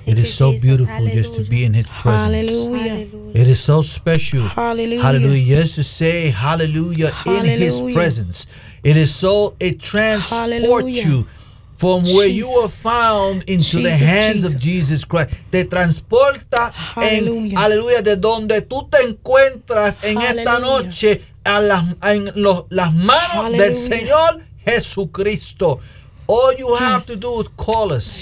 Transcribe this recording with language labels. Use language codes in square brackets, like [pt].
[en] It is so beautiful just to be in his presence. Hallelujah. It is so special. Hallelujah. Hallelujah. Yes, to say hallelujah in his presence. It is so, it transports you from where you are found into the hands of Jesus Christ. [es] Te transporta en, hallelujah, de donde tú te encuentras en esta noche. Las manos del Señor Jesucristo. [en] All you have to do is call us.